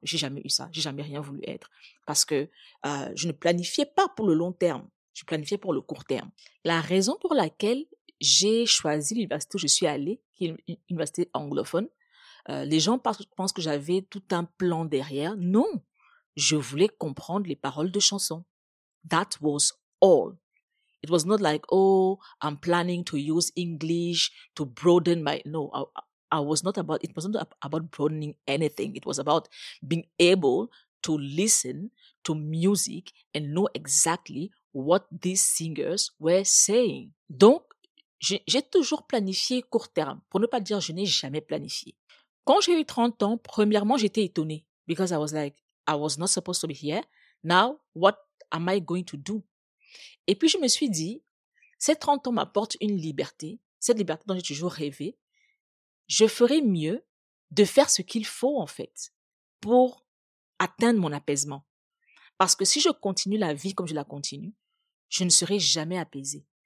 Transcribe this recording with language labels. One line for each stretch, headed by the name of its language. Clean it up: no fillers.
French: Je n'ai jamais eu ça, je n'ai jamais rien voulu être parce que je ne planifiais pas pour le long terme. Je planifiais pour le court terme. La raison pour laquelle j'ai choisi l'université où je suis allée, qui est une université anglophone, les gens pensent que j'avais tout un plan derrière. Non, je voulais comprendre les paroles de chansons.
English: That was all. It was not like, oh, I'm planning to use English to broaden my... No, I was not about... It wasn't about broadening anything. It was about being able to listen to music and know exactly what these singers were saying.
French: Donc, j'ai toujours planifié court terme. Pour ne pas dire, je n'ai jamais planifié. Quand j'ai eu 30 ans, premièrement, j'étais étonnée.
English: Because I was like, I was not supposed to be here. Now, what am I going to do?
French: Et puis, je me suis dit, ces 30 ans m'apportent une liberté. Cette liberté dont j'ai toujours rêvé. Je ferai mieux de faire ce qu'il faut, en fait, pour atteindre mon apaisement. Parce que si je continue la vie comme je la continue, je ne serai jamais apaisée.